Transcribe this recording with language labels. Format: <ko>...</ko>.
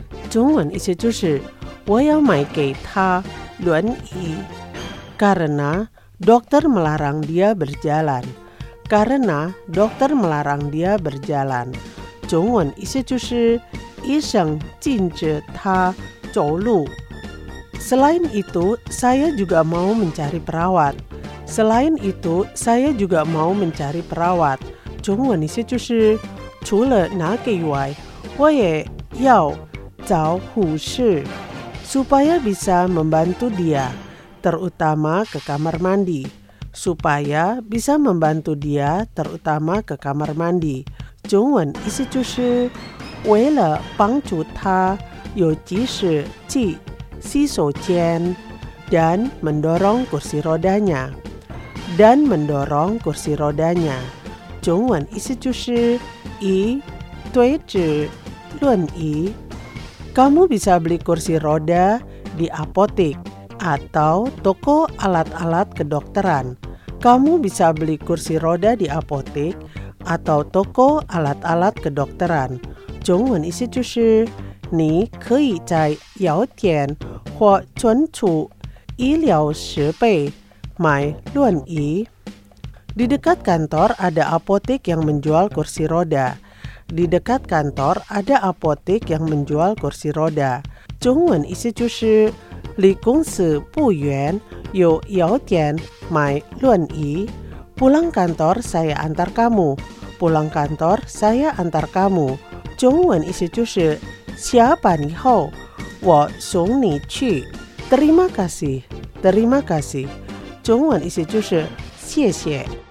<zh>中文意思就是我要买给他轮椅。</zh> <id>Karena dokter melarang dia berjalan. Karena dokter melarang dia berjalan.</id> <zh>中文意思就是医生禁止他走路。</zh> <id>Selain itu, saya juga mau mencari perawat. Selain itu, saya juga mau mencari perawat.</id> <zh>中文意思就是除了那个以外，我也要找护士。</zh> <id>Supaya bisa membantu dia, terutama ke kamar mandi. Supaya bisa membantu dia, terutama ke kamar mandi.</id> <zh>中文意思就是为了帮助他，尤其是去洗手间。</zh> <id>dan mendorong kursi rodanya. Dan mendorong kursi rodanya.</id> <zh>中文意思就是 一对之论一.</zh> <id>Kamu bisa beli kursi roda di apotek atau toko alat-alat kedokteran. Kamu bisa beli kursi roda di apotek atau toko alat-alat kedokteran.</id> <zh>中文意思就是 你可以在药店或存储医疗设备买轮椅.</zh> <id>Di dekat kantor ada apotek yang menjual kursi roda. Di dekat kantor ada apotek yang menjual kursi roda.</id> <zh>中文意思就是 离公司不远有药店买轮椅.</zh> <id>Pulang kantor saya antar kamu. Pulang kantor saya antar kamu.</id> <zh>中文意思就是 下班以后我送你去.</zh> <id>Terima kasih. Terima kasih.</id> <zh>中文意思就是 谢谢.</zh>